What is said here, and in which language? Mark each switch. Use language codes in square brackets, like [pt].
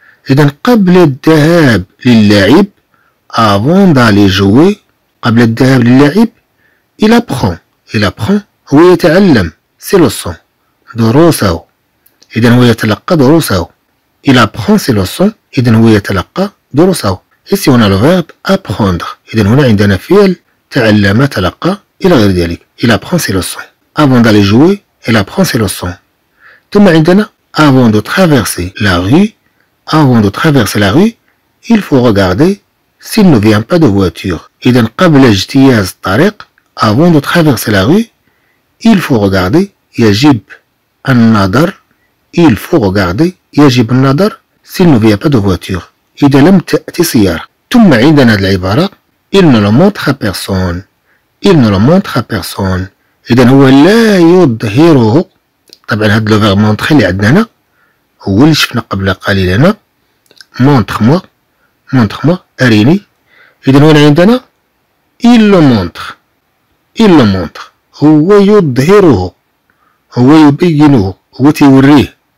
[ar] اذا قبل الذهاب للعب، [fr] افون دالي جوي، [ar] قبل الذهاب للعب الى برون، الى برون هو يتعلم سي لوسون دروسه، اذا هو يتلقى دروسه الى برونسي لوسون، اذا هو يتلقى دروسه. [fr] ايسي هنا لو فيرب ابروندر، [ar] اذا هنا عندنا فعل تعلم تلقى الى غير ذلك، الى برونسي لوسون، افون دالي جوي [fr] il apprend ses leçons. [ar] ثم عندنا [fr] avant de traverser la rue، avant de traverser la rue il faut regarder s'il ne vient pas de voiture. [ar] اذا قبل اجتياز الطريق، [fr] avant de traverser la rue il faut regarder، [ar] يجب النظر، [fr] il faut regarder، يجب النظر s'il ne vient pas de voiture، [ar] اذا لم تأتي سيارة. ثم عندنا هذه العبارة [fr] il ne le montre à personne، il ne le montre à personne، [ar] إذا هو لا يظهره. طبعا هاد [fr] لو فيرب مونطخي [ar] اللي عندنا هنا هو اللي شفنا قبل قليل هنا، مونطخ مو، مونطخ مو أريني. إذا هنا عندنا [fr] إيل لو مونطخ، [ar] إيل لو مونطخ هو يظهره، هو يبينه، هو تيوريه.